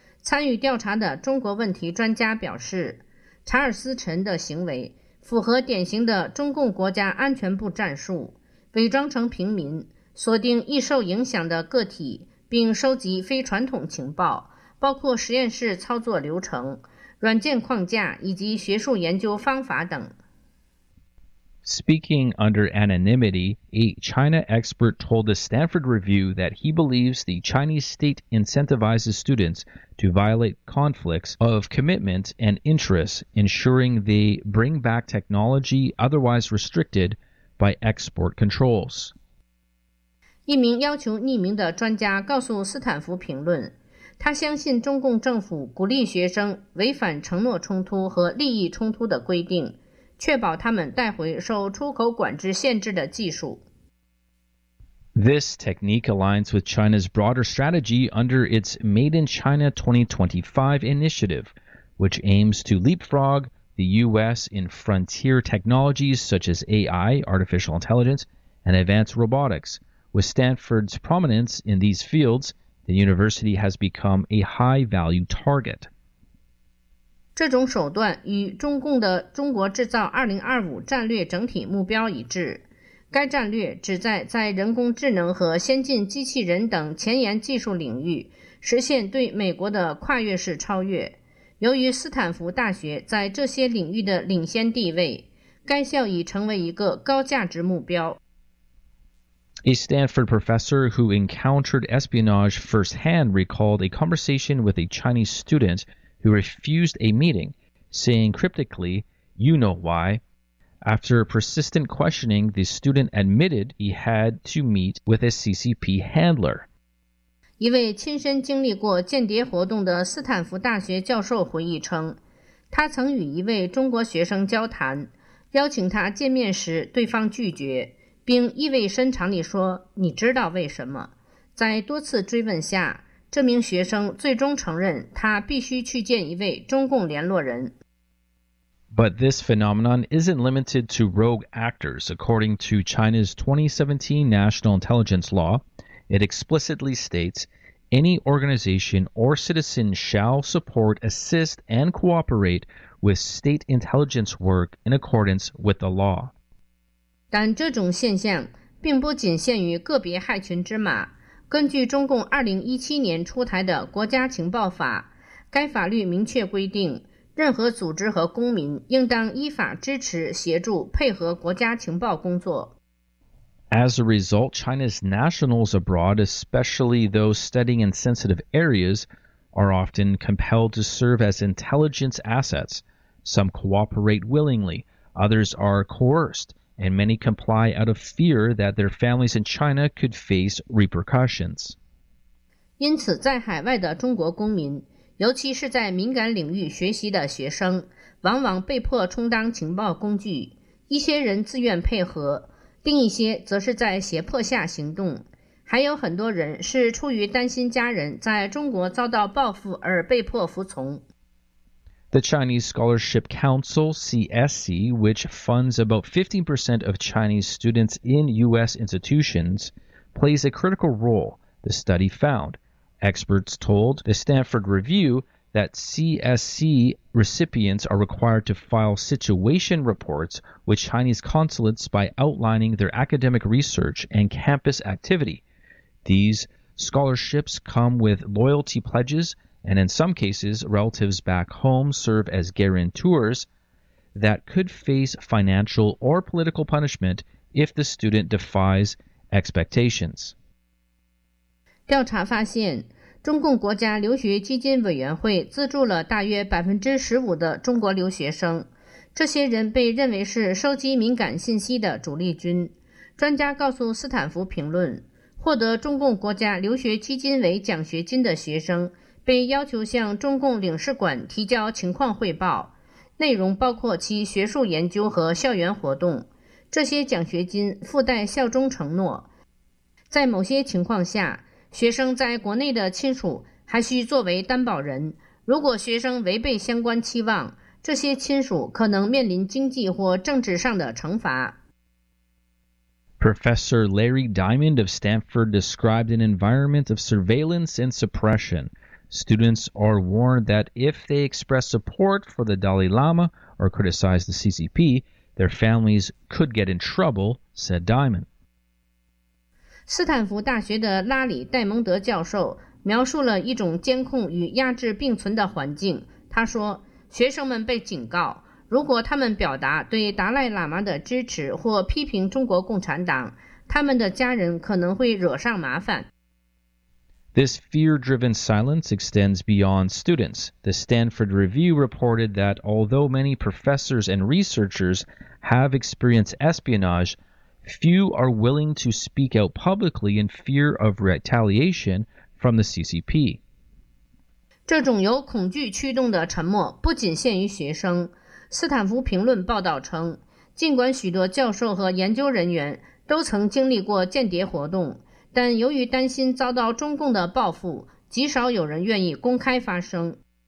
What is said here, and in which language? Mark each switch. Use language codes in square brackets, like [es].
[zh] 参与调查的中国问题专家表示，查尔斯·陈的行为符合典型的中共国家安全部战术，伪装成平民，锁定易受影响的个体，并收集非传统情报，包括实验室操作流程、软件框架以及学术研究方法等。 [en] Speaking under anonymity, a China expert told the Stanford Review that he believes the Chinese state incentivizes students to violate conflicts of commitment and interest, ensuring they bring back technology otherwise restricted by export controls. [zh] 一名要求匿名的专家告诉斯坦福评论，他相信中共政府鼓励学生违反承诺冲突和利益冲突的规定，确保他们带回受出口管制限制的技术。 [en] This technique aligns with China's broader strategy under its Made in China 2025 initiative, which aims to leapfrog the U.S. in frontier technologies such as AI, artificial intelligence, and advanced robotics. With Stanford's prominence in these fields, the university has become a high-value target. [zh] 这种手段与中共的中国制造2025战略整体目标一致。该战略旨在人工智能和先进机器人等前沿技术领域实现对美国的跨越式超越，由于斯坦福大学在这些领域的领先地位，该校已成为一个高价值目标。 [en] A Stanford professor who encountered espionage firsthand recalled a conversation with a Chinese student who refused a meeting, saying cryptically, "You know why." After persistent questioning, the student admitted he had to meet with a CCP handler. [zh] 一位亲身经历过间谍活动的斯坦福大学教授回忆称，他曾与一位中国学生交谈，邀请他见面时，对方拒绝。并意味深长地说，你知道为什么？在多次追问下，这名学生最终承认他必须去见一位中共联络人。 [en] But this phenomenon isn't limited to rogue actors. According to China's 2017 National Intelligence Law, it explicitly states, any organization or citizen shall support, assist, and cooperate with state intelligence work in accordance with the law. [zh] 但这种现象并不仅限于个别害群之马。根据中共2017年出台的国家情报法，该法律明确规定，任何组织和公民应当依法支持、协助、配合国家情报工作。 [en] As a result, China's nationals abroad, especially those studying in sensitive areas, are often compelled to serve as intelligence assets. Some cooperate willingly, others are coerced. And many comply out of fear that their families in China could face repercussions. [zh] 因此，在海外的中国公民，尤其是在敏感领域学习的学生，往往被迫充当情报工具。一些人自愿配合，另一些则是在胁迫下行动。还有很多人是出于担心家人在中国遭到报复而被迫服从。 [en] The Chinese Scholarship Council, CSC, which funds about 15% of Chinese students in U.S. institutions, plays a critical role, the study found. Experts told the Stanford Review that CSC recipients are required to file situation reports with Chinese consulates by outlining their academic research and campus activity. These scholarships come with loyalty pledges,And in some cases, relatives back home serve as guarantors that could face financial or political punishment if the student defies expectations. [zh] 调查发现，中共国家留学基金委员会资助了大约15%的中国留学生。这些人被认为是收集敏感信息的主力军。专家告诉斯坦福评论，获得中共国家留学基金为奖学金的学生。被要求向中共领事馆提交情况汇报，内容包括其学术研究和校园活动。这些奖学金附带效忠承诺。在某些情况下，学生在国内的亲属还需作为担保人。如果学生违背相关期望，这些亲属可能面临经济或政治上的惩罚。 [en] Professor Larry Diamond of Stanford described an environment of surveillance and suppression. Students are warned that if they express support for the Dalai Lama or criticize the CCP, their families could get in trouble, said Diamond. [zh] 斯坦福大学的拉里·戴蒙德教授描述了一种监控与压制并存的环境。他说，学生们被警告，如果他们表达对达赖喇嘛的支持或批评中国共产党，他们的家人可能会惹上麻烦。 [en] This fear-driven silence extends beyond students. The Stanford Review reported that although many professors and researchers have experienced espionage, few are willing to speak out publicly in fear of retaliation from the CCP. [zh] 这种由恐惧驱动的沉默不仅限于学生。斯坦福评论报道称，尽管许多教授和研究人员都曾经历过间谍活动，但由于担心遭到中共的报复，极少有人愿意公开发声。